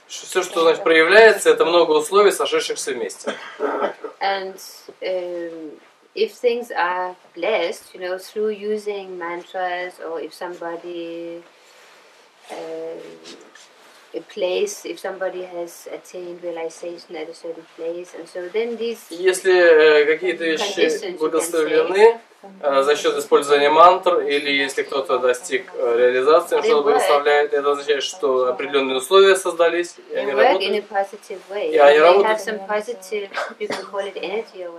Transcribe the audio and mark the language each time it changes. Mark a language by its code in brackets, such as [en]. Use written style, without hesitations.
[ru] Все, что значит проявляется, это много условий, сошедшихся вместе. [en] And if things are blessed, you know, through using mantras, or if somebody a place, if somebody has attained realization at a certain place, and so then these [ru] если какие-то вещи благословлены, за счет использования мантр, или если кто-то достиг реализации, что выставляет, это означает, что определенные условия создались, и они работают. И они работают